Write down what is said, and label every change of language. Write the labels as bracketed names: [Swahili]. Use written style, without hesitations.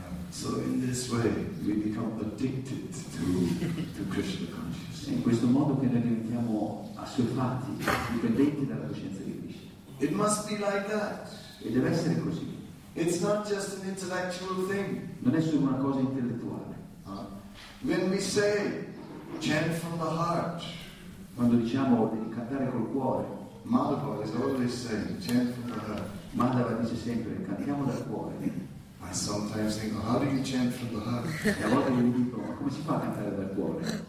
[English] So in this way we become addicted to Krishna consciousness. [Italian] E in questo modo che noi diventiamo assuefatti, dipendenti dalla coscienza di Krishna. [English] It must be like that. [Italian] E deve essere così. [English] It's not just an intellectual thing. [Italian] Non è solo una cosa intellettuale. [English] When we say chant from the heart, [Italian] quando diciamo di cantare col cuore, [English] Madhava is always saying chant from the heart. [Italian] Madhava dice sempre cantiamo dal cuore. [English] I sometimes think, oh, how do you chant from the heart? [Italian] E a volte mi dico ma come si fa a cantare dal cuore?